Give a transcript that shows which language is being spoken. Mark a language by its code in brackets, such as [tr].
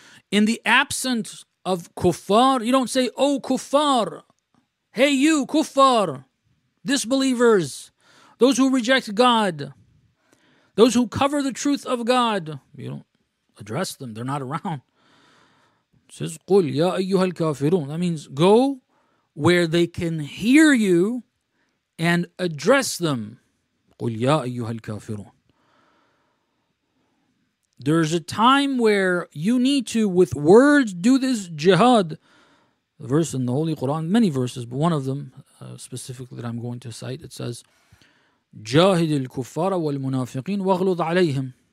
[en] In the absence of kuffar, you don't say, O kuffar. Hey you, kuffar. Disbelievers. Those who reject God. Those who cover the truth of God. You don't address them. They're not around. It says, [ar] قُلْ يَا أَيُّهَا الْكَافِرُونَ. [en] That means, go where they can hear you and address them. [ar] قُلْ يَا أَيُّهَا الْكَافِرُونَ. [en] There's a time where you need to, with words, do this jihad. The verse in the Holy Quran, many verses, but one of them specifically that I'm going to cite, it says, [ar] جَاهِدِ الْكُفَّارَ وَالْمُنَافِقِينَ وَغْلُضْ عَلَيْهِمْ.